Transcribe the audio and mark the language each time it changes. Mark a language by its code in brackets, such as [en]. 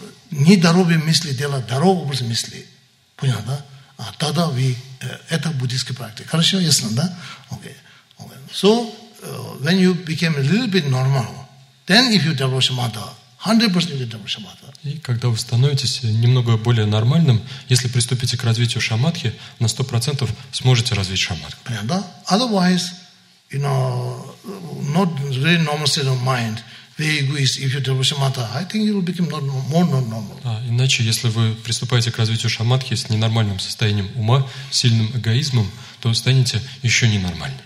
[ru] Не дороги мысли дело, дорогу образ мысли. Понял, да? А тогда вы, это буддийская практика. Хорошо, ясно, да? Okay. Okay. [en] So, when you became a little bit normal, then if you develop samatha, 100% you develop samatha. [ru] И когда вы становитесь немного более нормальным, если приступите к развитию шамадхи, на 100% сможете развить шамадху. Понял, да? [en] Otherwise, you know, not really normal state of mind, very egoist, if you develop samatha, I think you will become not, more not normal. [ru] А, иначе, если вы приступаете к развитию шамадхи с ненормальным состоянием ума, сильным эгоизмом, то станете еще ненормальным.